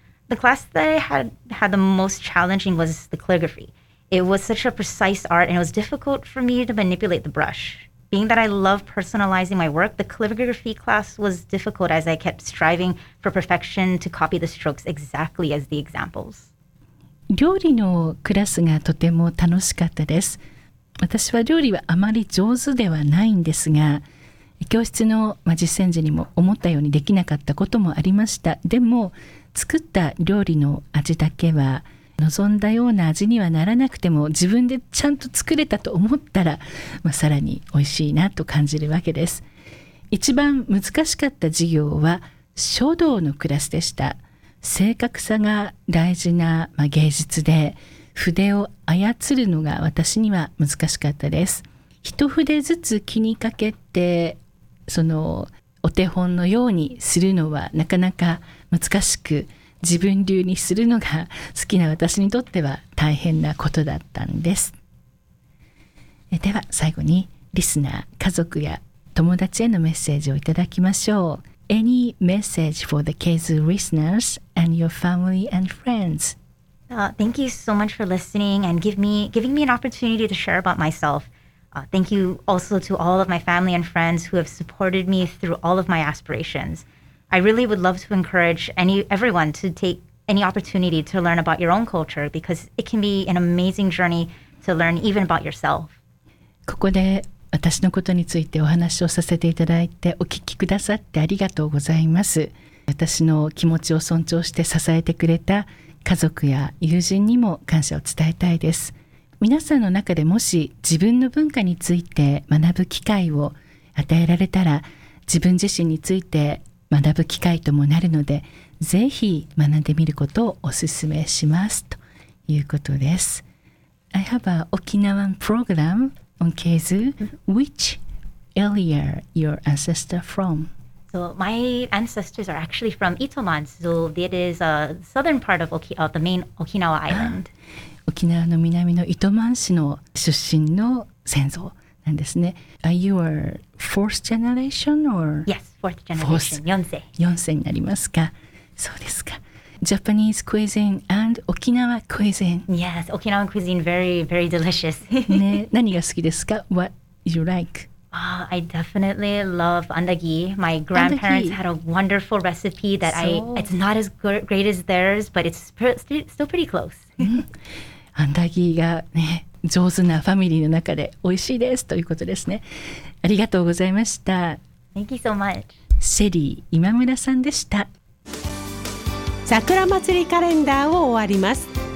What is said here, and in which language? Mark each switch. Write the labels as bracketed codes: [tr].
[en] The class that I had the most challenging was the calligraphy. It was such a precise art, and it was difficult for me to manipulate the brush. Being that I love personalizing my work, the calligraphy class was difficult as I kept striving for perfection to copy the strokes exactly as the examples. [ja] 料理のクラスがとても楽しかったです。私は料理はあまり上手ではないんですが、教室の実践時にも思ったようにできなかったこともありました。でも、作った料理の味だけは望んだような味にはならなくても、自分でちゃんと作れたと思ったら、さらに美味しいなと感じるわけです。一番難しかった授業は書道のクラスでした。正確さが大事な、芸術で、筆を操るのが私には難しかったです。一筆ずつ気にかけて、そのお手本のようにするのはなかなか難しく、自分流にするのが好きな私にとっては大変なことだったんです。では最後に、リスナー、家族や友達へのメッセージをいただきましょう。 [en] Any message for the KZU listeners and your family and friends? Thank you so much for listening and giving me an opportunity to share about myself. Thank you also to all of my family and friends who have supported me through all of my aspirationsI really would love to encourage everyone to take any opportunity to learn about your own culture, because it can be an amazing journey to learn even about yourself. [ja] ここで私のことについてお話をさせていただいて、お聞きくださってありがとうございます。私の気持ちを尊重して支えてくれた家族や友人にも感謝を伝えたいです。皆さんの中でもし自分の文化について学ぶ機会を与えられたら、自分自身について学ぶ機会ともなるので、ぜひ学んでみることをお勧めします、ということです。 [en] I have a Okinawan program on KZU. Which area your ancestor from? So my ancestors are actually from Itoman. So it is a southern part of the main Okinawa island. [ja] 沖縄の南の糸満市の出身の先祖なんですね。 [en] Are you a fourth generation or? Yes. 4世 [ja] になりますか。そうですか。 [en] Japanese cuisine and Okinawa cuisine. Yes, Okinawa cuisine, very, very delicious. [ja] 、ね、何が好きですか? What you like?、 [en] I definitely love andagi. My grandparents had a wonderful recipe that it's not as great as theirs, but it's still pretty close. [ja] Andagi が、ね、上手なファミリーの中で美味しいですということですね。ありがとうございました。 [en] Thank you so much. [ja] シェリー今村さんでした。桜祭りカレンダーを終わります。